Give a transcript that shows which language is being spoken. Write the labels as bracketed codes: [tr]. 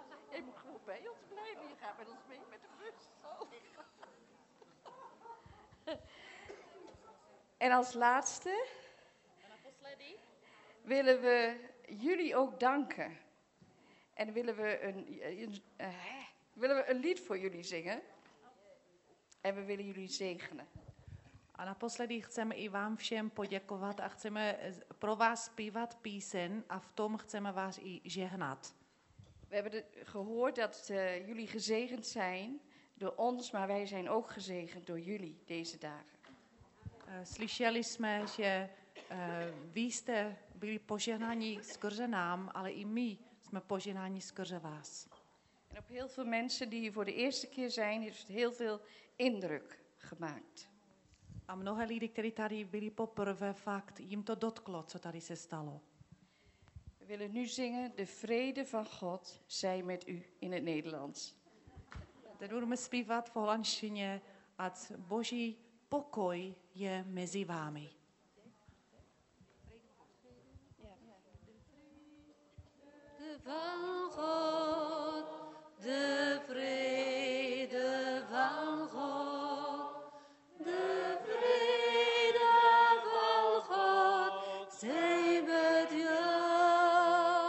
[nl] Je moet gewoon bij ons blijven. Je gaat met ons mee met de bus. En als laatste willen we jullie ook danken. En willen we een lied voor jullie zingen. En we willen jullie zegenen. [cs] A naposledy chceme i vám všem poděkovat a chceme pro vás zpívat píseň a v tom chceme vás i žehnat. [nl] We hebben gehoord dat jullie gezegend zijn door ons, maar wij zijn ook gezegend door jullie deze dagen. [cs] Slyšeli jsme, že vy jste byli požehnáni skrze nám, ale i my jsme požehnáni skrze vás. [nl] En op heel veel mensen die voor de eerste keer zijn, heeft het heel veel indruk gemaakt. [cs] A mnohé lidi, kteří tady byli poprvé, fakt jim to dotklo, co tady se stalo. [nl] We willen nu zingen, de vrede van God zij met u in het Nederlands. [cs] Teď budeme zpívat v holandštině, ať Boží pokoj je mezi vámi. [nl] De van God, de vrede van God, de vrede van God, zij met jou.